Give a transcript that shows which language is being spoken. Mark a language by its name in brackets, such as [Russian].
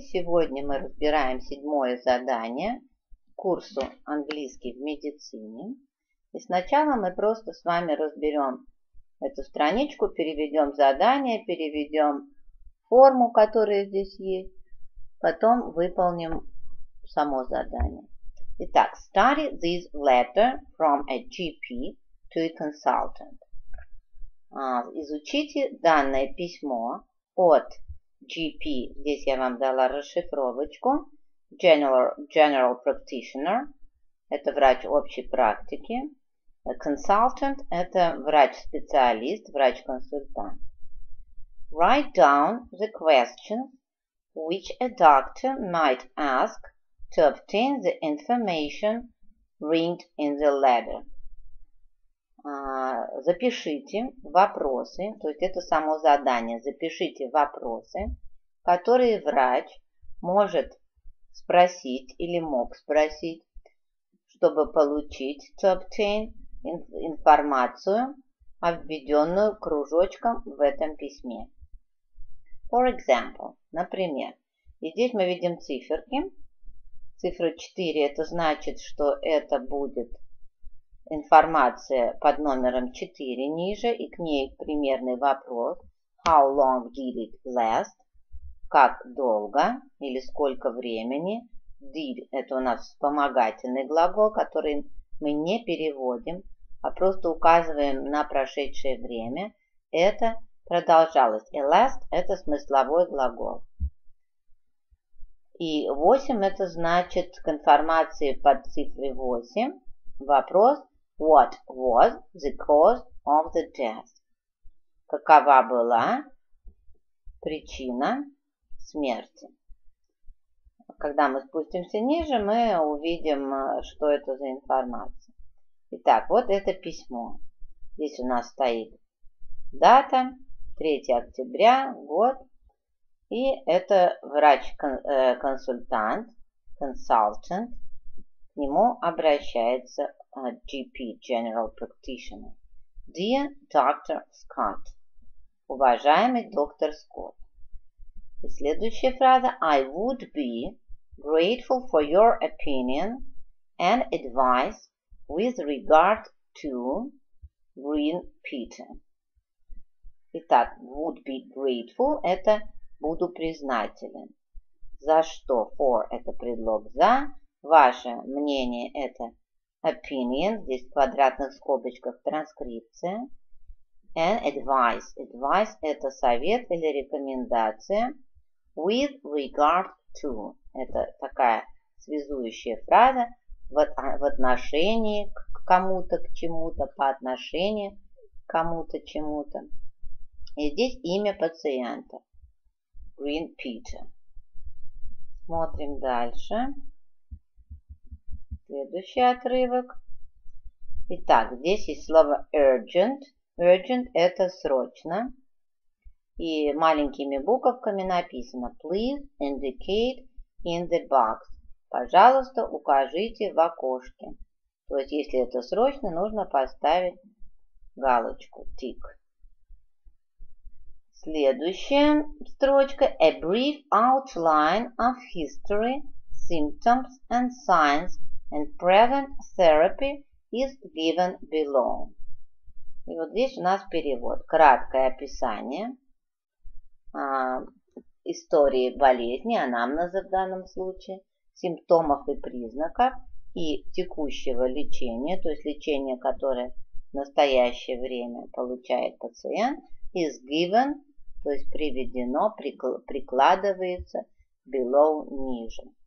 [Russian] Сегодня мы разбираем седьмое задание курсу «Английский в медицине». И сначала мы просто с вами разберем эту страничку, переведем задание, переведем форму, которая здесь есть, потом выполним само задание. Итак, [English] study this letter from a GP to a consultant. [Russian] Изучите данное письмо от GP, здесь я вам дала расшифровочку, General Practitioner, это врач общей практики, a Consultant, это врач-специалист, врач-консультант. [English] Write down the questions which a doctor might ask to obtain the information written in the letter. [Russian] Запишите вопросы, то есть это само задание, запишите вопросы, которые врач может спросить или мог спросить, чтобы получить, [English] to obtain, [Russian] информацию, обведенную кружочком в этом письме. [English] For example, [Russian] например, и здесь мы видим циферки. Цифра 4, это значит, что это будет информация под номером 4 ниже, и к ней примерный вопрос, [English] how long did it last? [Russian] Как долго или сколько времени. Did – это у нас вспомогательный глагол, который мы не переводим, а просто указываем на прошедшее время. Это продолжалось. И last – это смысловой глагол. И 8 – это значит к информации под цифрой 8. Вопрос [English] – what was the cause of the death? [Russian] Какова была причина смерти. Когда мы спустимся ниже, мы увидим, что это за информация. Итак, вот это письмо. Здесь у нас стоит дата, 3 октября, год. И это врач-консультант, consultant. К нему обращается GP, General Practitioner. [English] Dear Dr. Scott. [Russian] Уважаемый доктор Скотт. И следующая фраза [English] – I would be grateful for your opinion and advice with regard to Green Peter. [Russian] Итак, [English] would be grateful [Russian] – это буду признателен. За что? For – это предлог за. Ваше мнение – это opinion, здесь в квадратных скобочках транскрипция. [English] And advice [Russian] – advice – это совет или рекомендация. [English] With regard to [Russian] – это такая связующая фраза в отношении к кому-то, к чему-то, по отношению к кому-то, чему-то. И здесь имя пациента – Green Peter. Смотрим дальше. Следующий отрывок. Итак, здесь есть слово urgent. Urgent – это срочно. И маленькими буковками написано [English] «Please indicate in the box». [Russian] «Пожалуйста, укажите в окошке». То есть, если это срочно, нужно поставить галочку «Tick». Следующая строчка [English] «A brief outline of history, symptoms and signs and present therapy is given below». [Russian] И вот здесь у нас перевод «Краткое описание». Истории болезни, анамнеза в данном случае, симптомов и признаков и текущего лечения, то есть лечение, которое в настоящее время получает пациент, [English] is given, [Russian] то есть приведено, прикладывается below, ниже.